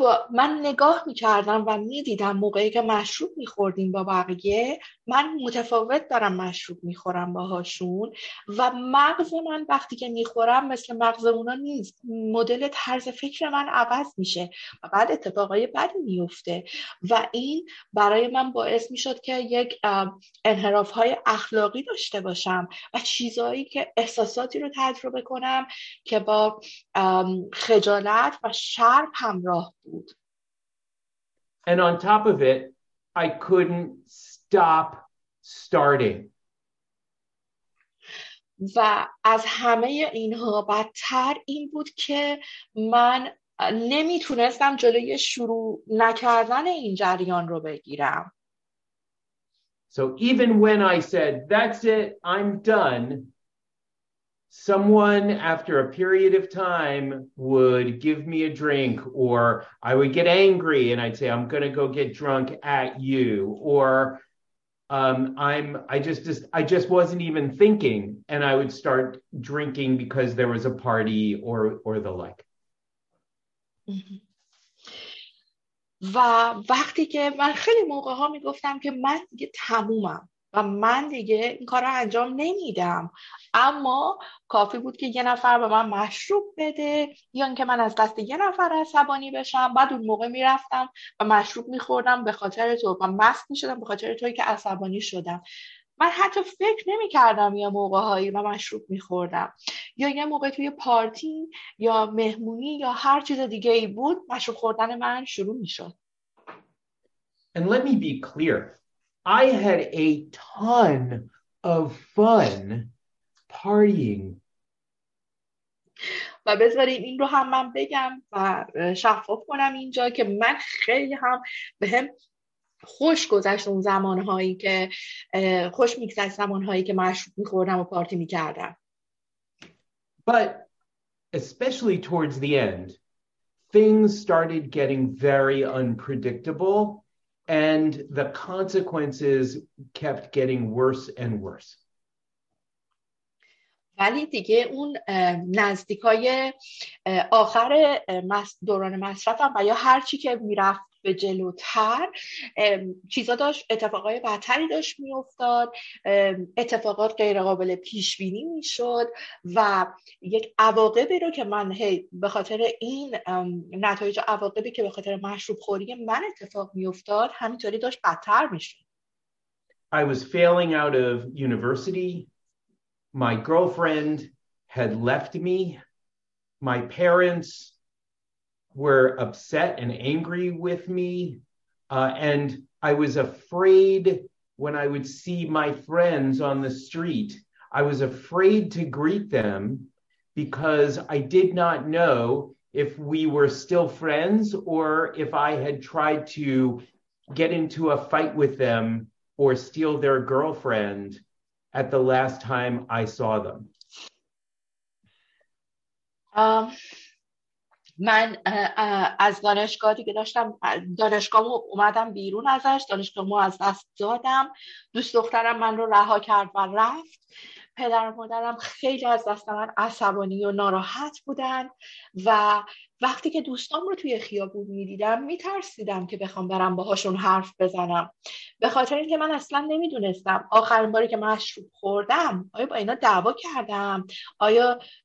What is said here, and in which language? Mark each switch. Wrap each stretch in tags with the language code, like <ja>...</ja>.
<fa>من نگاه می‌کردم و می‌دیدم موقعی که مشروب می‌خوردیم با بقیه من متفاوت دارم مشروب می‌خورم باهاشون و مغز من وقتی که می‌خورم مثل مغز اونا نیست، مدل طرز فکر من عوض میشه و بعد اتفاقای بدی می‌افته و این برای من باعث می‌شد که یک انحراف‌های اخلاقی داشته باشم و چیزایی که احساساتی رو تجربه کنم که با خجالت و شرم همراه.</fa> <en>And on top of it, I couldn't stop starting.</en> <fa>و از همه اینها بدتر این بود که من نمیتونستم جلوی شروع نکردن این جریان رو بگیرم.</fa> <en>So even when I said, "That's it, I'm done," someone after a period of time would give me a drink, or I would get angry and I'd say, I'm gonna go get drunk at you, or I just wasn't even thinking, and I would start drinking because there was a party or the like.</en> <fa>و وقتی که من خیلی موقع ها میگفتم که من دیگه تمومم و من دیگه این کار رو انجام نمیدم، اما کافی بود که یه نفر به من مشروب بده یا اینکه من از دست یه نفر عصبانی بشم، بعد اون موقع میرفتم و مشروب میخوردم به خاطر تو و مست میشدم به خاطر توی که عصبانی شدم. من حتی فکر نمیکردم یه موقع هایی من مشروب میخوردم یا یه موقع توی پارتی یا مهمونی یا هر چیز دیگه ای بود مشروب خوردن من شروع میشد.</fa> <en>And let me be clear, I had a ton of fun partying.</en> <fa>و بذارید این رو هم من بگم و شفاف کنم اینجا که من خیلی هم به هم خوش گذشت اون زمانهایی که خوش میگذشت زمانهایی که مشروب میخوردم و پارتی میکردم.</fa> <en>But especially towards the end, things started getting very unpredictable and the consequences kept getting worse and worse.</en> <fa>ولی دیگه اون نزدیکای آخر دوران مصرفم و یا هر چی که میرفت به جلوتر چیزا داشت، اتفاقای بدتری داشت میافتاد، اتفاقات غیر قابل پیش بینی میشد و یک عواقبی رو که من به خاطر این نتایج عواقبی که به خاطر مشروب خوری من اتفاق میافتاد همینطوری داشت بدتر میشد.</fa> <en>I was failing out of university. My girlfriend had left me. My parents were upset and angry with me. And I was afraid when I would see my friends on the street, I was afraid to greet them because I did not know if we were still friends or if I had tried to get into a fight with them or steal their girlfriend at the last time I saw them.</en> <fa>من از دانشگاه دیگه داشتم دانشگاهمو اومدم بیرون ازش، دانشگاهمو از دست دادم، دوست دخترم من رو رها کرد و رفت، پدر و مادرم خیلی از دست من عصبانی و ناراحت بودن و وقتی که دوستام رو توی خیابون میدیدم میترسیدم که بخوام برم باهاشون حرف بزنم به خاطر اینکه من اصلا نمیدونستم آخرین باری که مشروب خوردم آیا با اینا دعوا کردم، آیا</fa>